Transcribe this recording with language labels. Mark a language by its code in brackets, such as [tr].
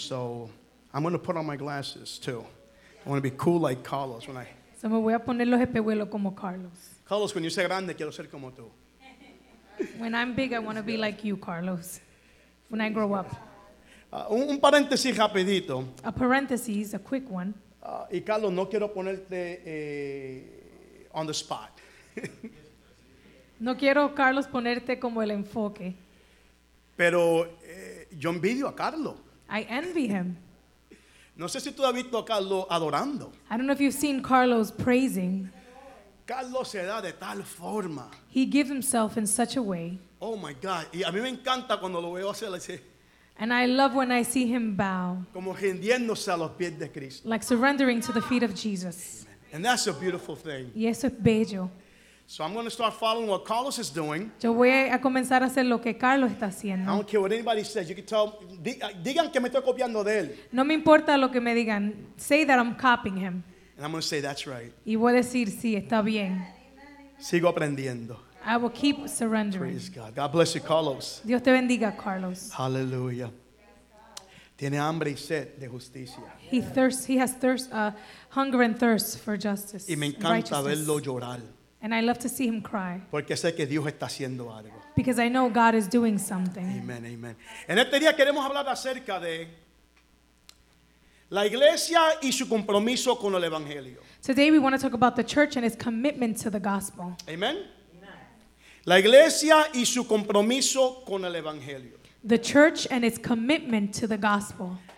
[en] So I'm going to put on my glasses too. I want to be cool like Carlos when I... [es] So me voy a poner los espejuelos como Carlos. Carlos, [en] when you say [es] grande, quiero ser como tú. [en] When I'm big, I want to be like you, Carlos. When I grow up. [es] Un paréntesis rapidito. [en] A parenthesis, a quick one. [es] Y Carlos, no quiero ponerte [en] on the spot. [es] No quiero, Carlos, ponerte como el enfoque. Pero yo envidio a Carlos. [en] I envy him. [es] No sé si tú has visto a Carlos adorando. [en] I don't know if you've seen Carlos praising. [es] Carlos se da de tal forma. [en] He gives himself in such a way. Oh my God. [es] Y a mí me encanta cuando lo veo hacer así. [en] And I love when I see him bow. [es] Como rindiéndose a los pies de Cristo. [en] Like surrendering to the feet of Jesus. Amen. And that's a beautiful thing. [es] Y eso es bello. [en] So I'm going to start following what Carlos is doing. [es] Yo voy a comenzar a hacer lo que Carlos está haciendo. [en] I don't care what anybody says. You can tell. [es] Digan que me estoy copiando de él. No me importa lo que me digan. [en] Say that I'm copying him. And I'm going to say that's right. [es] Y voy a decir sí, está bien. Sigo aprendiendo. [en] I will keep surrendering. Praise God. God bless you, Carlos. [es] Dios te bendiga, Carlos. Hallelujah. Tiene hambre y sed de justicia. [en] He thirsts. He has thirst, hunger and thirst for justice. [es] Y me encanta verlo llorar. [en] And I love to see him cry. [es] Porque sé que Dios está haciendo algo. [en] Because I know God is doing something. Amen, amen. [es] En este día queremos hablar acerca de la iglesia y su compromiso con el evangelio. [en] Today we want to talk about the church and its commitment to the gospel. Amen. [es] La iglesia y su compromiso con el evangelio. [en] The church and its commitment to the gospel.